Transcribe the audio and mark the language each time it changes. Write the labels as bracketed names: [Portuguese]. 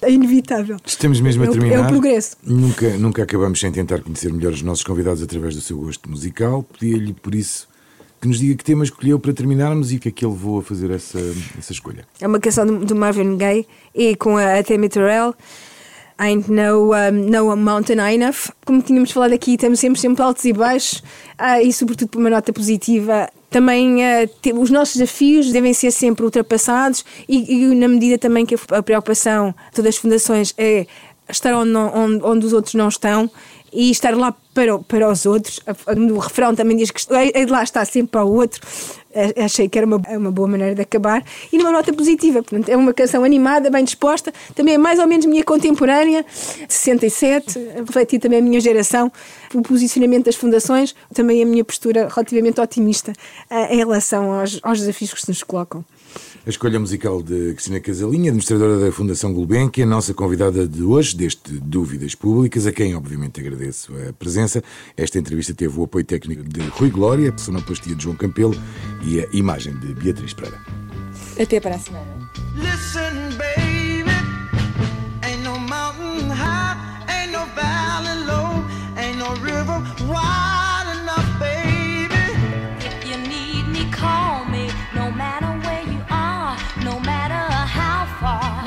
[Portuguese] É inevitável. Estamos mesmo a terminar. É o progresso. Nunca acabamos sem tentar conhecer melhor os nossos convidados através do seu gosto musical. Pedia-lhe, por isso, que nos diga que tema escolheu para terminarmos e o que é que ele levou a fazer essa escolha. É uma canção do Marvin Gaye e com a Tammy Terrell. [English] Ain't no mountain high enough. [Portuguese] Como tínhamos falado aqui, estamos sempre altos e baixos, e sobretudo por uma nota positiva. Também os nossos desafios devem ser sempre ultrapassados e na medida também que a preocupação de todas as fundações é estar onde os outros não estão e estar lá para os outros. O refrão também diz que é de lá estar sempre para o outro. Achei que era uma boa maneira de acabar. E numa nota positiva, portanto, é uma canção animada, bem disposta, também é mais ou menos minha contemporânea, 67, refleti também a minha geração, o posicionamento das fundações, também a minha postura relativamente otimista em relação aos desafios que se nos colocam. A escolha musical de Cristina Casalinha, administradora da Fundação Gulbenkian, a nossa convidada de hoje, deste Dúvidas Públicas, a quem obviamente agradeço a presença. Esta entrevista teve o apoio técnico de Rui Glória, a sonoplastia de João Campelo e a imagem de Beatriz Pereira. Até para a semana. [English] Listen, baby, ain't no mountain high, ain't no valley low, ain't no river wide enough, baby. If you need me, call me, no matter where you are, no matter how far.